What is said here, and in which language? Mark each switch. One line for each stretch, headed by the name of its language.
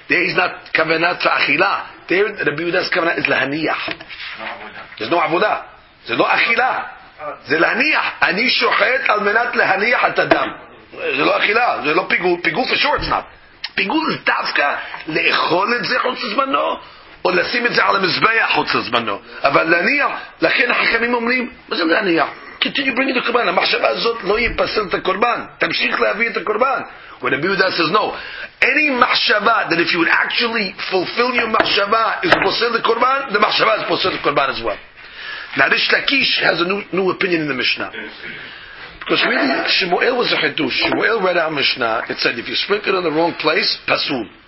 English: There he's not kavanah to achila. There, Rabbi Yehuda's kavanah is lahaniyah. There's no avodah. There's no achila.
Hebrew: זה להניח, אני שוחט על מנת להניח את הדם. זה לא אכילה, זה לא פיגול.
English: פיגול for sure it's not.
Hebrew: פיגול זה דווקא לאכול את זה חוץ לזמנו, או לשים את זה על המזבח חוץ לזמנו. אבל להניח, לכן החכמים אומרים, מה זה להניח?
English: Continue bringing the קורבן.
Hebrew: המחשבה הזאת לא ייפסל את הקורבן. תמשיך להביא את הקורבן.
English: When Rabbi Yehuda says no, any machshava that if you would actually fulfill your machshava is posel the קורבן, the machshava is posel the קורבן as well. Now Rish Lakish has a new opinion in the Mishnah. Because really, Shmuel was a Hiddush. Shmuel read our Mishnah. It said, if you sprinkle it in the wrong place, pasul.